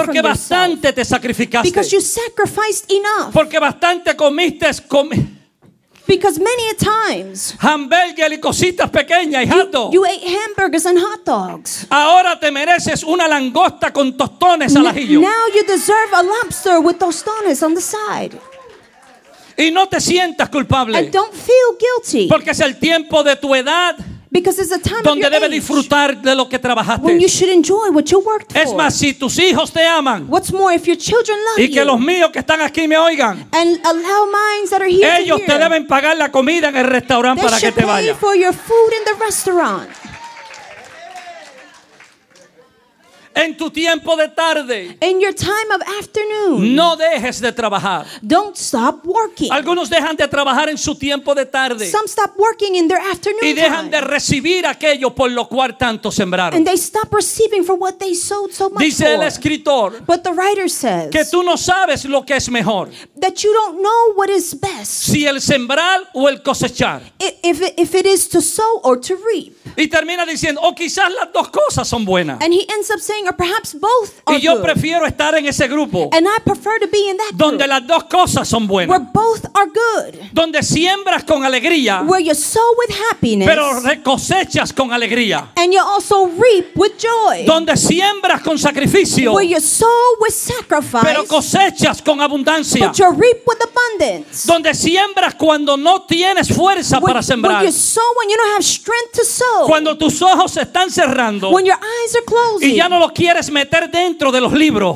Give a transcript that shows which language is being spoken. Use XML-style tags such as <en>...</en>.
<en>from yourself.</en> <es>Porque bastante te sacrificaste.</es> <en>Because you sacrificed enough.</en> <es>Porque bastante comiste.</es> <en>Because many a times</en> <es>hamburgers y cositas pequeñas y hot dogs.</es> <en>You ate hamburgers and hot dogs.</en> <es>Ahora te mereces una langosta con tostones al ajillo.</es> <en>Now you deserve a lobster with tostones on the side.</en> <es>Y no te sientas culpable.</es> <en>And don't feel guilty.</en> <es>Porque es el tiempo de tu edad.</es> <en>Because it's a time</en> <es>donde</es> <en>of your</en> <es>debes disfrutar de lo que trabajaste.</es> <en>When you should enjoy what you worked for.</en> <es>Es más, si tus hijos te aman.</es> <en>What's more, if your children love</en> <es>y que</es> <en>you,</en> <es>los míos que están aquí me oigan.</es> <en>And allow minds that are here</en> <es>ellos</es> <en>to hear,</en> <es>te deben pagar la comida en el restaurante para que te vayas.</es> <en>They should pay for your food in the restaurant.</en> <es>En tu tiempo de tarde.</es> <en>In your time of afternoon.</en> <es>No dejes de trabajar.</es> <en>Don't stop working.</en> <es>Algunos dejan de trabajar en su tiempo de tarde.</es> <en>Some stop working in their afternoon time.</en> <es>Y dejan de recibir aquello por lo cual tanto sembraron.</es> <en>And they stop receiving for what they sowed so much.</en> <es>Dice</es> <en>for</en> <es>el escritor.</es> <en>But the writer says.</en> <es>Que tú no sabes lo que es mejor.</es> <en>That you don't know what is best.</en> <es>Si el sembrar o el cosechar.</es> <en>If it is to sow or to reap.</en> <es>Y termina diciendo, o quizás las dos cosas son buenas.</es> <en>And he ends up saying, or perhaps both are good.</en> <es>Y yo prefiero estar en ese grupo.</es> <en>And I prefer to be in that group.</en> <es>Donde las dos cosas son buenas.</es> <en>Where both are good.</en> <es>Donde siembras con alegría.</es> <en>Where you sow with happiness.</en> <es>Pero recosechas con alegría.</es> <en>And you also reap with joy.</en> <es>Donde siembras con sacrificio.</es> <en>Where you sow with sacrifice.</en> <es>Pero cosechas con abundancia.</es> <en>But you reap with abundance.</en> <es>Donde siembras cuando no tienes fuerza para sembrar.</es> <en>Where you sow when you don't have strength to sow.</en> <es>Cuando tus ojos están cerrando.</es> <en>When your eyes are closing.</en> <es>Y ya no los quieres meter dentro de los libros.</es>